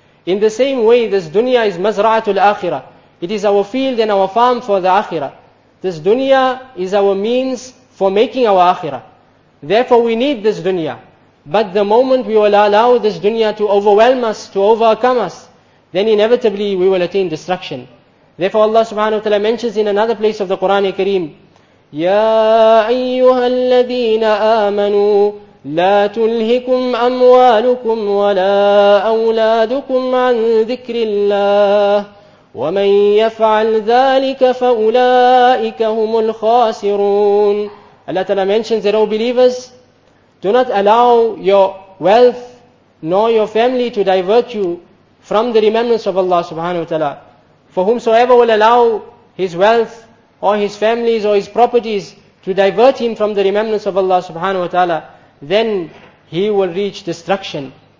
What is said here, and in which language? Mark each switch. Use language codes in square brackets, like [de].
[en] In the same way, this dunya is mazra'atul akhirah. It is our field and our farm for the akhirah. This dunya is our means for making our akhirah. Therefore, we need this dunya. But the moment we will allow this dunya to overwhelm us, to overcome us, then inevitably we will attain destruction. Therefore, Allah subhanahu wa ta'ala mentions in another place of the Qur'an al-Kareem, [ar] يَا أَيُّهَا الَّذِينَ آمَنُوا لَا تُلْهِكُمْ أَمْوَالُكُمْ وَلَا أَوْلَادُكُمْ عَنْ ذِكْرِ اللَّهِ وَمَنْ يَفْعَلْ ذَٰلِكَ فَأُولَٰئِكَ هُمُ الْخَاسِرُونَ. [en] Allah ta'ala mentions that, O believers, do not allow your wealth nor your family to divert you from the remembrance of Allah subhanahu wa ta'ala. For whomsoever will allow his wealth or his families or his properties to divert him from the remembrance of Allah subhanahu wa ta'ala, then he will reach destruction.